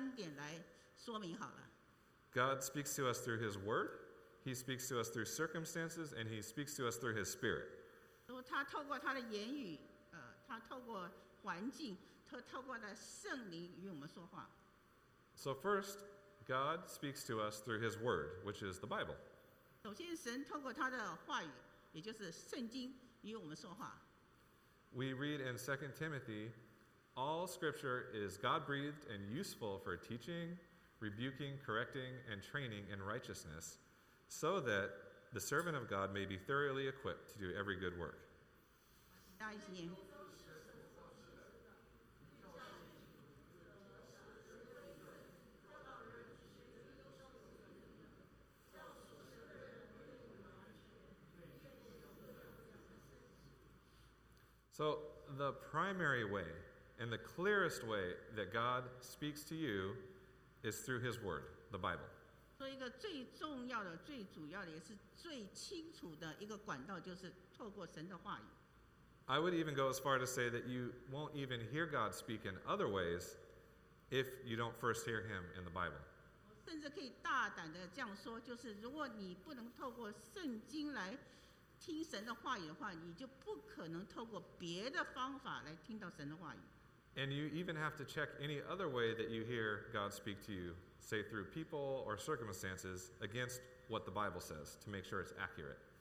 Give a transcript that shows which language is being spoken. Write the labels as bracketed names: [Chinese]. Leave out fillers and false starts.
[Chinese] 这个题目实在太大了，可以讲不完了。但是今天的话，我们就只就三点来说明好了。 [English] God speaks to us through His Word, He speaks to us through circumstances, and He speaks to us through His Spirit. [Chinese] 他透过他的言语，他透过环境，他透过了圣灵与我们说话。 [English] So first, God speaks to us through His Word, which is the Bible. [Chinese] 首先神透过他的话语，也就是圣经，与我们说话。 [English] We read in 2 Timothy, all scripture is God-breathed and useful for teaching, rebuking, correcting, and training in righteousness, so that the servant of God may be thoroughly equipped to do every good work. [Chinese] 大一些。 [English] So the primary way and the clearest way that God speaks to you is through His Word, the Bible. [Chinese] 所以一个最重要的、最主要的、也是最清楚的一个管道，就是透过神的话语。 [English] I would even go as far to say that you won't even hear God speak in other ways if you don't first hear Him in the Bible. [Chinese] 甚至可以大胆的这样说，就是如果你不能透过圣经来听神的话语的话，你就不可能透过别的方法来听到神的话语。 [English] And you even have to check any other way that you hear God speak to you, say through people or circumstances, against what the Bible says to make sure it's accurate.